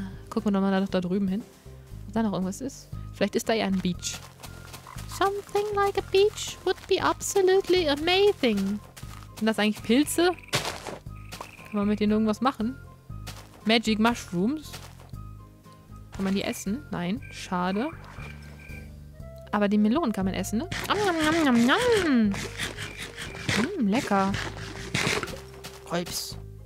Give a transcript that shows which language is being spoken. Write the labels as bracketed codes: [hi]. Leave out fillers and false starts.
[de] Gucken wir nochmal da drüben hin. Ob da noch irgendwas ist. Vielleicht ist da ja ein Beach. [en] Something like a beach would be absolutely amazing. [de] Sind das eigentlich Pilze? Kann man mit denen irgendwas machen? Magic Mushrooms? Kann man die essen? Nein, schade. Aber die Melonen kann man essen, ne? Nom, nom, nom, nom. Mm, lecker. Holps.